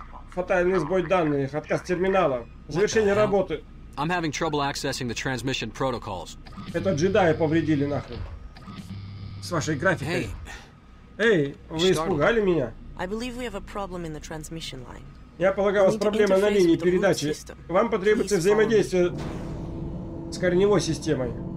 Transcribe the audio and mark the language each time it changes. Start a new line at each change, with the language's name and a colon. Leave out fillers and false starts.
Russian: Фатальный сбой данных, отказ терминала, завершение работы.
English: I'm having trouble accessing the transmission protocols.
Russian: Это джедаи повредили нахрен. С вашей графикой.
English: Hey.
Russian: Эй, вы испугали меня?
English: I believe we have a problem in the transmission line.
Russian: Я полагаю, у вас проблема на линии передачи. Вам потребуется взаимодействие с корневой системой.